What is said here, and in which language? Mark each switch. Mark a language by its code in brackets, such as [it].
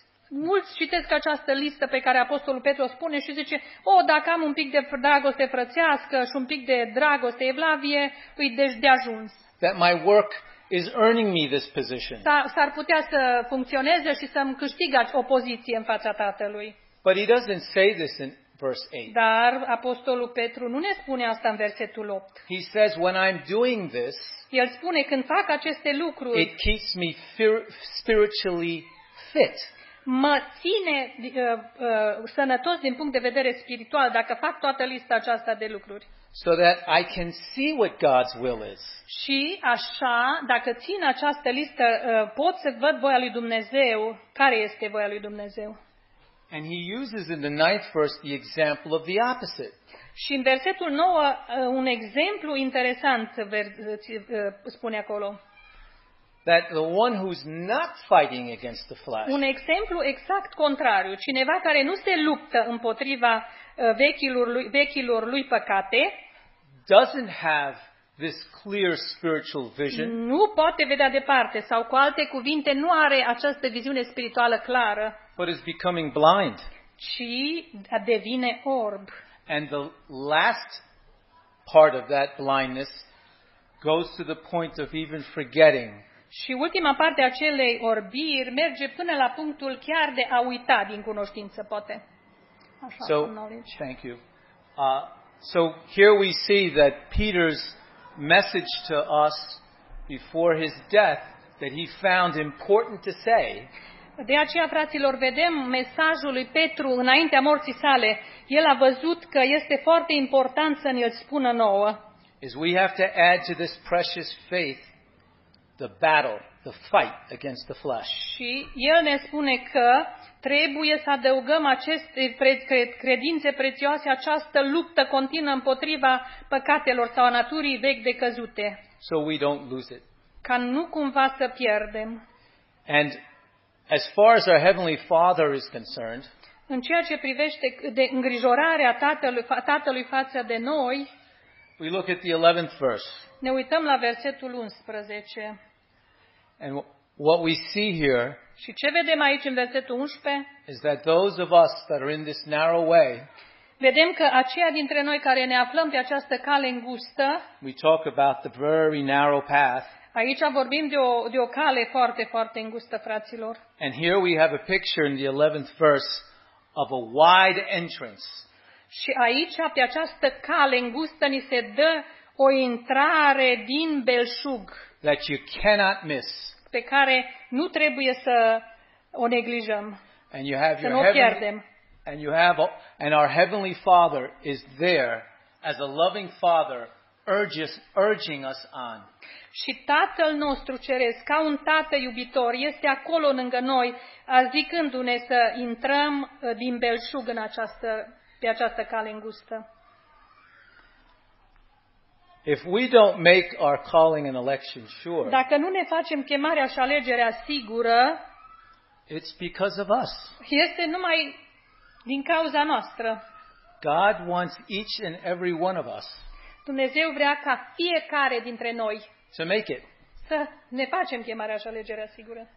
[ro] Mulți citesc această listă pe care Apostolul Petru o spune și zice, dacă am un pic de dragoste frățească și un pic de dragoste evlavie, îi deci de ajuns. [en] That my work is earning me this position. [ro] S-ar putea să funcționeze și să-mi câștig o poziție în fața Tatălui. [en] But he doesn't say this in verse 8. [ro] Dar Apostolul Petru nu ne spune asta în versetul 8. [en] He says, when I'm doing this, [ro] el spune, când fac aceste lucruri, [en] it keeps me spiritually fit. [ro] Mă ține sănătos din punct de vedere spiritual dacă fac toată lista aceasta de lucruri. [en] So that I can see what God's will is. [ro] Și așa, dacă țin această listă, pot să văd voia lui Dumnezeu, care este voia lui Dumnezeu. [en] And he uses in the ninth verse the example of the opposite. [ro] Și în versetul 9 un exemplu interesant spune acolo. [en] That the one who's not fighting against the flesh. [ro] Un exemplu exact contrariu, cineva care nu se luptă împotriva vechilor lui păcate, [en] doesn't have this clear spiritual vision. [ro] Nu poate vedea departe, sau cu alte cuvinte, nu are această viziune spirituală clară. [en] But is becoming blind. [ro] ci devine orb. [en] And the last part of that blindness goes to the point of even forgetting. [ro] Și ultima parte a acelei orbiri merge până la punctul chiar de a uita din cunoștință, poate. Așa, [en] so, thank you. So here we see that Peter's message to us before his death that he found important to say. [ro] De aceea, fraților, vedem mesajul lui Petru înaintea morții sale. El a văzut că este foarte important să ne-l spună nouă. [en] Is we have to add to this precious faith the battle, the fight against the flesh. [ro] Și el ne spune că trebuie să adăugăm aceste credințe prețioase, această luptă continuă împotriva păcatelor sau a naturii vechi de căzute. [en] So we don't lose it. [ro] Ca nu cumva să pierdem. [en] And as far as our Heavenly Father is concerned, [ro] în ceea ce privește de îngrijorarea Tatălui față de noi, [en] we look at the 11th verse. [ro] Ne uităm la versetul 11. [en] And what we see here, [ro] și ce vedem aici în versetul 11, [en] is that those of us that are in this narrow way, [ro] vedem că aceia dintre noi care ne aflăm pe această cale îngustă, [en] we talk about the very narrow path. [ro] Aici vorbim de o cale foarte, foarte îngustă, fraților. [en] And here we have a picture in the 11th verse of a wide entrance. [ro] Și aici, pe această cale îngustă, ni se dă o intrare din belșug. [en] That you cannot miss. [ro] Pe care nu trebuie să o neglijăm. [en] And you have [ro] să [en] your [ro] nu o pierdem. [en] And you have and our Heavenly Father is there as a loving Father urging us on. [ro] Și Tatăl nostru ceresc, ca un tată iubitor, este acolo lângă noi, zicându-ne să intrăm din belșug în această, pe această cale îngustă. [en] If we don't make our calling and election sure, [ro] dacă nu ne facem chemarea și alegerea sigură, [en] it's because of us. [ro] Este numai din cauza noastră. [en] God wants each and every one of us. [ro] Dumnezeu vrea ca fiecare dintre noi [en] to make it. [ro] Să ne facem chemarea și alegerea sigură.